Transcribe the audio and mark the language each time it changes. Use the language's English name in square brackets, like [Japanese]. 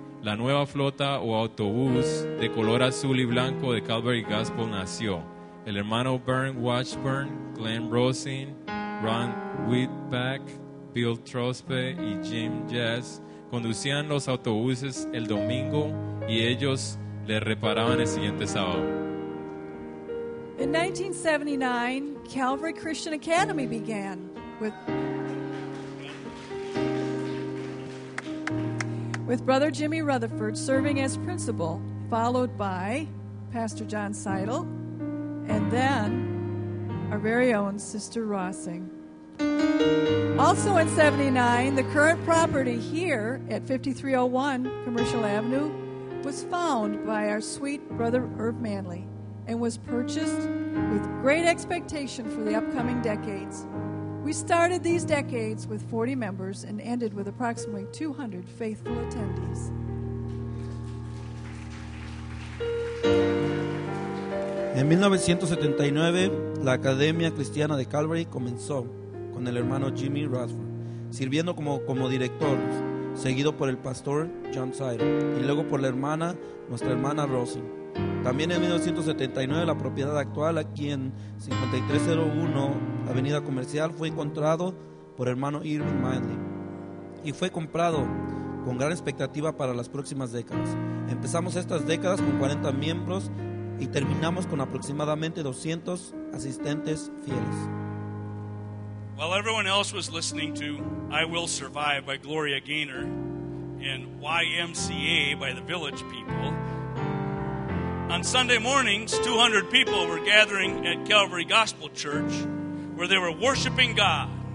[Spanish] La nueva flota o autobús de color azul y blanco de Calvary Gospel nació. El hermano Vern Washburn, Glenn Rosin, Ron Whitback, Bill Trospe y Jim Jess conducían los autobuses el domingo y ellos le reparaban el siguiente sábado. [English] In 1979, Calvary Christian Academy began with Brother Jimmy Rutherford serving as principal, followed by Pastor John Seidel, and then our very own Sister Rossing. Also in 79, the current property here at 5301 Commercial Avenue was found by our sweet brother Irv Manley and was purchased with great expectation for the upcoming decades. We started these decades with 40 members and ended with approximately 200 faithful attendees. [Spanish] En 1979, la Academia Cristiana de Calvary comenzó con el hermano Jimmy Rutherford, sirviendo como director, seguido por el pastor John Seidel, y luego por nuestra hermana Rosie. También en 1979, la propiedad actual aquí en 5301 Avenida Comercial fue encontrado por hermano Irving Manley y fue comprado con gran expectativa para las próximas décadas. Empezamos estas décadas con 40 miembros y terminamos con aproximadamente 200 asistentes fieles. [English] While everyone else was listening to I Will Survive by Gloria Gaynor and YMCA by the Village People, on Sunday mornings, 200 people were gathering at Calvary Gospel Church where they were worshiping God.